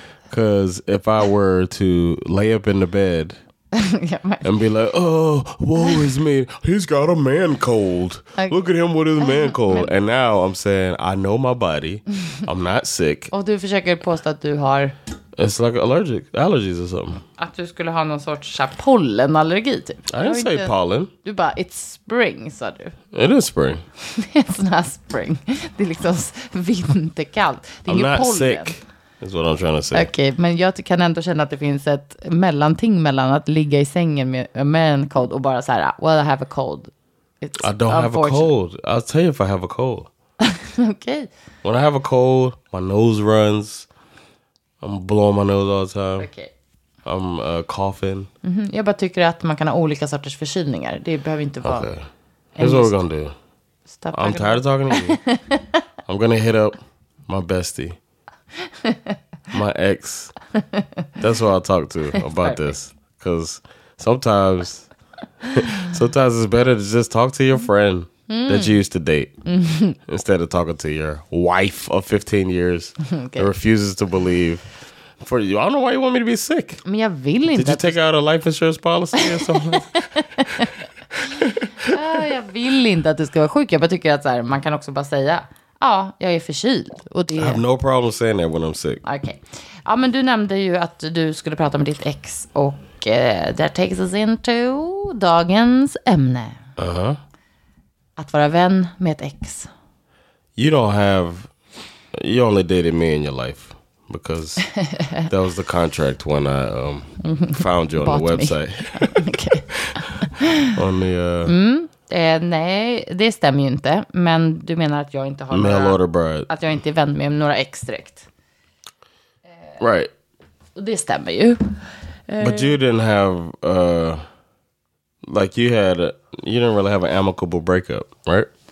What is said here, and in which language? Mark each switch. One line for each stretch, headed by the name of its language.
English: Because if I were to lay up in the bed and be like, oh, woe is me. He's got a man cold. Okay. Look at him with his man cold. And now I'm saying, I know my body. I'm not sick.
Swedish: Och du försöker påstå att du har...
English: It's like allergies or something.
Swedish: Att du skulle ha någon sorts pollenallergi typ.
English: I didn't say pollen.
Swedish: Du bara,
English: it's spring,
Swedish: sa du.
English: It is spring. It's not spring.
Swedish: Det är liksom vinterkallt. Det är
English: I'm
Swedish: ju
English: not pollen. Sick. Is what I'm trying to say.
Swedish: Okay, men jag kan ändå känna att det finns ett mellanting mellan att ligga i sängen med en cold och bara så här,
English: well, I have a cold. It's I don't have a cold. I'll tell you if I have a cold. Okay. When I have a cold, my nose runs. I'm blowing my nose all the time. Okay. I'm coughing. Mm-hmm.
Swedish: Jag bara tycker att man kan ha olika sorters förkylningar. Det behöver inte vara...
English: Okay. Here's what we're gonna do. Stop. I'm tired of talking to you. I'm gonna hit up my bestie. My ex. That's who I talk to about this. Because sometimes it's better to just talk to your friend that you used to date instead of talking to your wife of 15 years okay. that refuses to believe for you. I don't know why you want me to be sick.
Swedish: Men jag vill inte.
English: Did you take out a life insurance policy or something?
Swedish: Jag vill inte att du ska vara sjuk. Jag bara tycker att så här, man kan också bara säga ja, jag är förkyld. Och det...
English: I have no problem saying that when I'm sick. Okay.
Swedish: Ja, men du nämnde ju att du skulle prata med ditt ex.
English: Och that takes us into
Swedish: dagens ämne.
English: Uh-huh.
Swedish: Att vara vän med ett ex.
English: You only dated me in your life. Because that was the contract when I found you on the website. Okay. On the...
Swedish: Nej, det stämmer ju inte. Men du menar att jag inte har att jag inte är vän med några ex direkt.
English: Right.
Swedish: Och det stämmer ju.
English: But you didn't have like you didn't really have an amicable breakup, right?